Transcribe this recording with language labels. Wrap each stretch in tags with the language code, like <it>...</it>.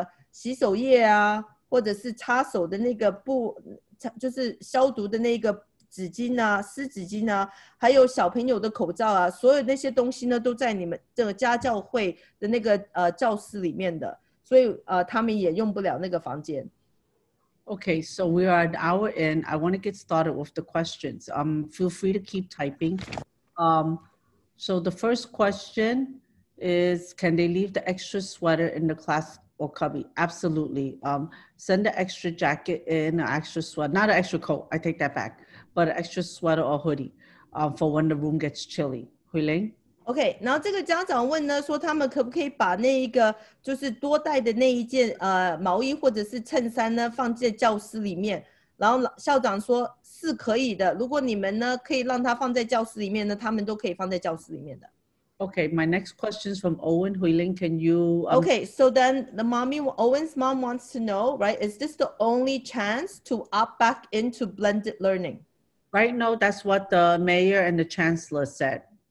<zh>洗手液啊，或者是擦手的那个布，就是消毒的那个纸巾啊、湿纸巾啊， 还有小朋友的口罩啊，所有那些东西呢都在你们这个家教会的那个教室里面的，所以他们也用不了那个房间。</zh> <en>Okay, so we are at our end. I want to get started with the questions. Feel free to keep typing. So the first question is, can they leave the extra sweater in the class or cubby? Absolutely. Send the extra jacket in, an extra sweater, not an extra coat, I take that back, but an extra sweater or hoodie. For when the room gets chilly. Huiling?</en> <zh>Okay, 然后这个家长问呢，说他们可不可以把那一个就是多带的那一件毛衣或者是衬衫呢放在教室里面？然后校长说是可以的，如果你们呢可以让它放在教室里面呢，他们都可以放在教室里面的。</zh> <en>Okay, my next question is from Owen. Huiling, can you... Okay, so then the mommy, Owen's mom wants to know, right, is this the only chance to opt back into blended learning? Right now, that's what the mayor and the chancellor said.</en>